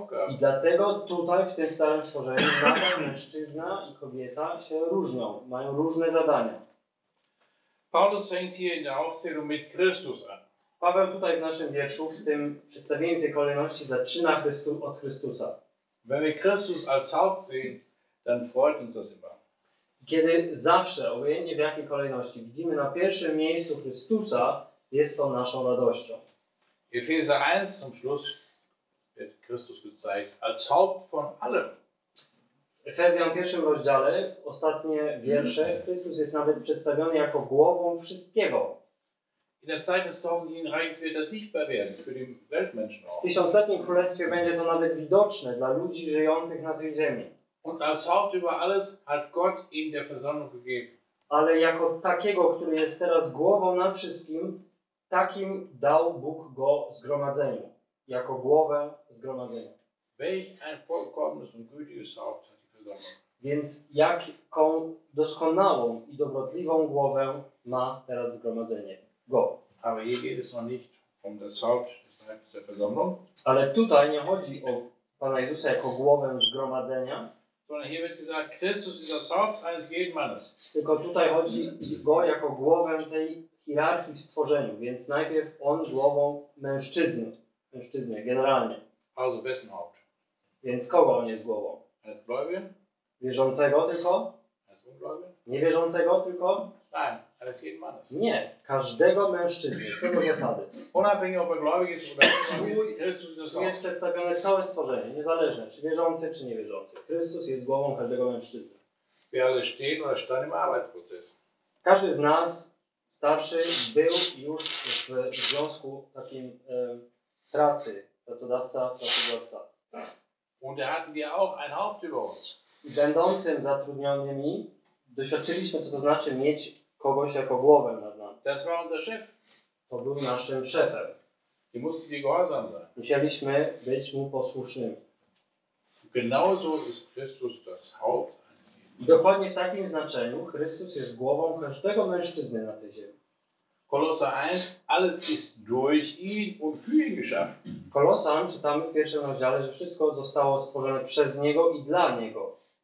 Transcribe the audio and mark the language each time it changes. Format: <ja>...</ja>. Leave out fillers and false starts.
<pl>I dlatego tutaj, w tym starym stworzeniu, nadal mężczyzna i kobieta się różnią, mają różne zadania.</pl> <de>Paulus fängt hier in der Aufzählung mit Christus an.</de> <pl>Paweł tutaj w naszym wierszu, w tym przedstawieniu tej kolejności, zaczyna od Chrystusa.</pl> <de>Wenn wir Christus als Haupt sehen, dann freut uns das immer.</de> <pl>Kiedy zawsze, obojętnie w jakiej kolejności, widzimy na pierwszym miejscu Chrystusa, jest to naszą radością.</pl> <de>Epheser 1 zum Schluss wird Christus gezeigt als Haupt von allem.</de> <pl>Efezjan w pierwszym rozdziale, ostatnie wiersze, Chrystus jest nawet przedstawiony jako głową wszystkiego.</pl> <de>In der Zeit des Thronen Reichs wird das sichtbar werden für die Weltmenschen.</de> <pl>W tysiącletnim królestwie będzie to nawet widoczne dla ludzi żyjących na tej ziemi.</pl> <de>Und als Haupt über alles hat Gott ihm der Versammlung gegeben.</de> <pl>Ale jako takiego, który jest teraz głową nad wszystkim, takim dał Bóg go zgromadzeniu. Jako głowę zgromadzenia.</pl> <de>Welch ein vollkommenes und gütiges Haupt.</de> <pl>Więc jaką doskonałą i dobrotliwą głowę ma teraz zgromadzenie? Go.</pl> <de>Aber hier geht es noch nicht um das Haupt, das heißt der Versammlung.</de> <pl>Ale tutaj nie chodzi o Pana Jezusa jako głowę zgromadzenia.</pl> <de>Sondern hier wird gesagt, Christus ist das Haupt eines jeden Mannes.</de> <pl>Tylko tutaj chodzi go jako głowę tej hierarchii w stworzeniu. Więc najpierw on głową mężczyzny. Mężczyzny, generalnie.</pl> <de>Also wessen Haupt.</de> <pl>Więc kogo on jest głową?</pl> <de>Als Gläubiger?</de> <pl>Wierzącego tylko?</pl> <de>Als Ungläubiger?</de> <pl>Niewierzącego tylko?</pl> <de>Nein, als jeden Mannes.</de> <pl>Nie, każdego mężczyzny, co do zasady.</pl> <de>Unabhängig ob er gläubig ist oder nicht,</de> <pl>tu jest przedstawione całe stworzenie, niezależne, czy wierzący, czy niewierzący. Chrystus jest głową każdego mężczyzny.</pl> <de>Wir alle stehen oder standen im Arbeitsprozess.</de> <pl>Każdy z nas, starszy, był już w związku takim pracy, pracodawca.</pl> <de>Und da hatten wir auch ein Haupt über uns.</de> <pl>I będącym zatrudnionymi doświadczyliśmy, co to znaczy mieć kogoś jako głowę nad nami.</pl> <de>Das war unser Chef.</de> <pl>To był naszym szefem.</pl> <de>I musste die gehorsam sein.</de> <pl>Musieliśmy być mu posłusznymi.</pl> <de>Genauso ist Christus das Haupt.</de> <pl>I dokładnie w takim znaczeniu Chrystus jest głową każdego mężczyzny na tej ziemi.</pl> <de>Kolosa 1, alles ist durch ihn und für ihn geschaffen.</de> <pl>Kolosan czytamy w pierwszym rozdziale, że wszystko zostało stworzone przez Niego i dla Niego.</pl>